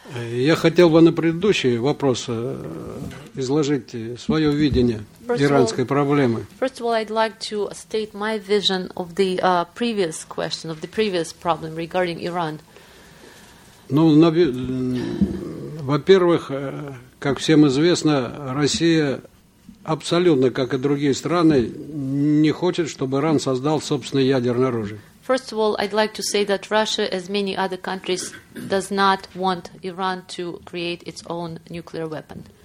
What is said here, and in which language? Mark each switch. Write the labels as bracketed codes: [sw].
[ru] Я хотел бы на предыдущий вопрос изложить свое видение иранской проблемы. [en] First of all, I'd like to state my vision of the previous question, of the previous problem regarding Iran. [ru] Ну, во-первых, как всем известно, Россия абсолютно, как и другие страны, не хочет, чтобы Иран создал собственное ядерное оружие. [en] First of all, I'd like to say that Russia, as many other countries, does not want Iran to create its own nuclear weapon.